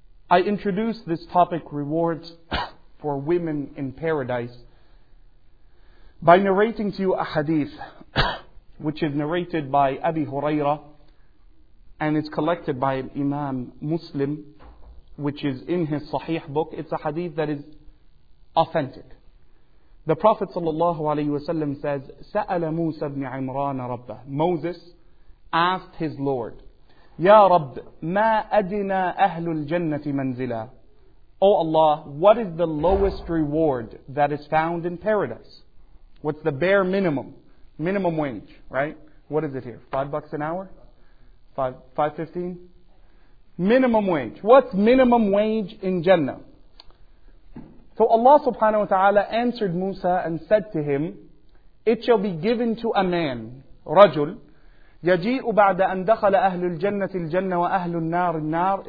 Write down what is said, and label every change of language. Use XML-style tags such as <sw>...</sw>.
<en>I introduced this topic, rewards for women in paradise, by narrating to you a hadith, which is narrated by Abi Hurairah, and it's collected by Imam Muslim, which is in his Sahih book. It's a hadith that is authentic. The Prophet sallallahu alaihi wasallam says,</en> <ar>سَأَلَ مُوسَى بْنِ عِمْرَانَ رَبَّهُ.</ar> <en>Moses asked his Lord,</en> <ar>يَا رَبَّ مَا أَدْنَى أَهْلُ الْجَنَّةِ مَنْزِلًا.</ar> <en>O Allah, what is the lowest reward that is found in paradise? What's the bare minimum? Minimum wage, right? What is it here? $5 an hour? $5.15? Minimum wage. What's minimum wage in Jannah? So Allah subhanahu wa ta'ala answered Musa and said to him, it shall be given to a man, رجل,</en> <ar>يَجِيءُ بَعْدَ أَنْ دَخَلَ أَهْلُ الْجَنَّةِ الْجَنَّةِ وَأَهْلُ النَّارِ النَّارِ.</ar>